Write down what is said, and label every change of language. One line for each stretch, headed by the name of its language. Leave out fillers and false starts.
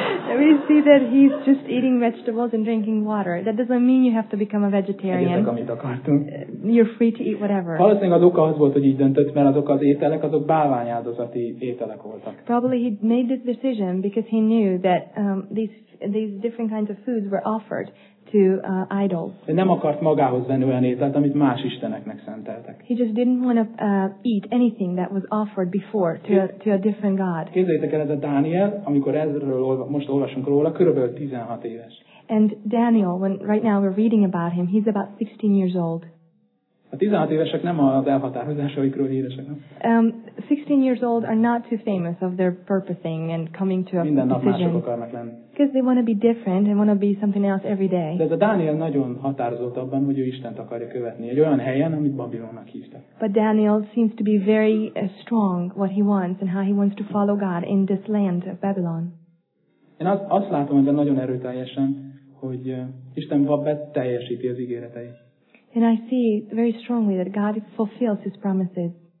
English: We see that he's just eating vegetables and drinking water. That doesn't mean you have to become a vegetarian.
Hungarian: Egyetek, amit akartunk.
English: You're free to eat whatever.
Hungarian: Valószínűleg az oka az volt, hogy így döntött, mert azok az ételek, azok báványáldozati ételek voltak.
English: Probably he made this decision because he knew that these different kinds of foods were offered to idols.
Hungarian: De nem akart magához venni olyan ételt, amit más isteneknek szenteltek.
English: He just didn't want to eat anything that was offered before to a different god.
Hungarian: Képzeljétek el, ez a Dániel, amikor ezről most olvasunk róla, körülbelül 16 éves.
English: And Daniel, when right now we're reading about him, he's about 16 years old.
Hungarian: A 16 évesek nem az elhatározásaikról híresek, nem?
English: 16 years old are not too famous of their purposing and coming to a
Hungarian: minden nap
English: decision.
Hungarian: Mások akarnak lenni.
English: Because they want to be different and want to be something else every day.
Hungarian: De ez a Dániel nagyon határozott abban, hogy ő Istent akarja követni. Egy olyan helyen, amit Babilonnak hívtak.
English: But Daniel seems to be very strong what he wants and how he wants to follow God in this land of Babylon.
Hungarian: Én azt látom ebben nagyon erőteljesen, hogy Isten beteljesíti az ígéreteit.
English: And I see very strongly that God fulfills his promises.